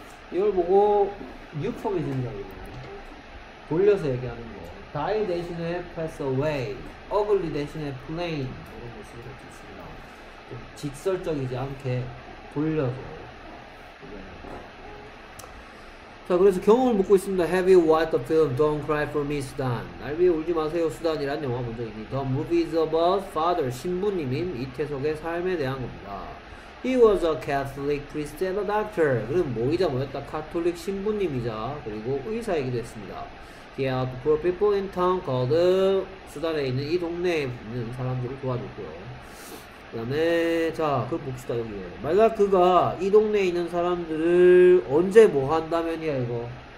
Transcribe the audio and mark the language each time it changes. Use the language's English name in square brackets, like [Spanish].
[Korean] 이걸 보고 뉴폼이 된다고 돌려서 얘기하는 거. die 대신에 pass away, ugly 대신에 plain 이런 거 쓰고 할 수 있습니다. 직설적이지 않게 돌려서. 자, 그래서 경험을 묻고 있습니다. [English] Have you watched the film Don't Cry For Me, Sudan? [Korean] 날 위해 울지 마세요, 수단이라는 영화 본 적 있니? [English] The movie is about father, [Korean] 신부님인 이태석의 삶에 대한 겁니다. [English] He was a Catholic priest and a doctor. [Korean] 그는 모이자 모였다. 카톨릭 신부님이자 그리고 의사이기도 했습니다. [English] He helped poor people in town called [Korean] 수단에 있는 이 동네에 있는 사람들을 도와줬고요. 그 다음에 자 그걸 봅시다. 여기에 만약 그가 이 동네에 있는 사람들을 언제 뭐 한다면이야 이거?